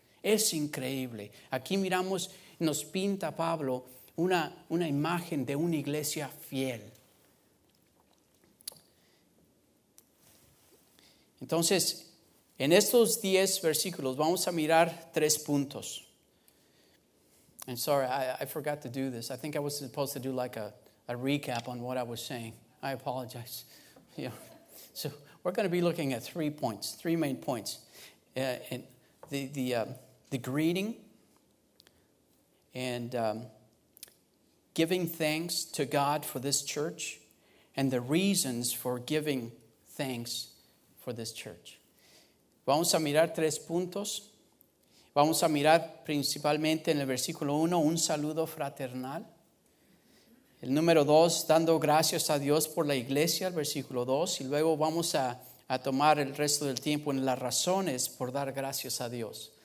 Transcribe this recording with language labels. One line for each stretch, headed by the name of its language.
Spanish: Es increíble. Aquí miramos, nos pinta Pablo una imagen de una iglesia fiel. Entonces, en estos 10 versículos vamos a mirar 3 puntos.
English: I'm sorry, I forgot to do this. I think I was supposed to do like a recap on what I was saying. I apologize. Yeah. So we're going to be looking at 3 points, 3 main points. The greeting and giving thanks to God for this church and the reasons for giving thanks for this church.
Spanish: Vamos a mirar 3 puntos. Vamos a mirar principalmente en el versículo 1 un saludo fraternal. El número 2, dando gracias a Dios por la iglesia, el versículo 2. Y luego vamos a tomar el resto del tiempo en las razones por dar gracias a Dios.